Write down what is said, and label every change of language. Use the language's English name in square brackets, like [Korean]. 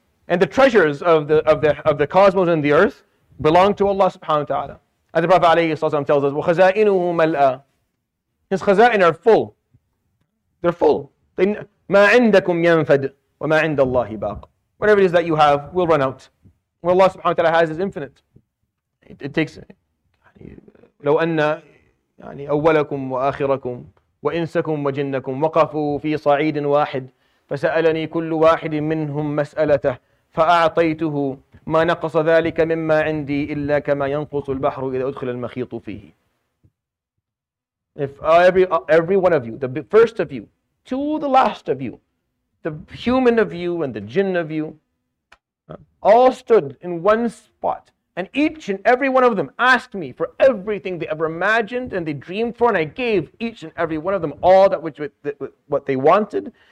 [English] And the treasures of the cosmos and the earth belong to Allah subhanahu wa ta'ala. As the Prophet alayhi sallam tells us, [Arabic] وَخَزَائِنُهُ مَلْآ. [English] His khaza'in are full. They're full. [Arabic] مَا عِنْدَكُمْ يَنْفَدْ وَمَا عِنْدَ اللَّهِ بَاقٍ. [English] Whatever it is that you have will run out. What Allah subhanahu wa ta'ala has is infinite. It takes [Arabic] لو أن أولكم وآخركم وإنسكم وجنكم وقفوا في صعيد واحد فسألني كل واحد منهم مسألته فأعطيته ما نقص ذلك مما عندي إلا كما ينقص البحر إذا أدخل المخيط فيه. [English] If every one of you, the first of you to the last of you, the human of you and the jinn of you, all stood in one spot, and each and every one of them asked me for everything they ever imagined and they dreamed for, and I gave each and every one of them all that which what they wanted.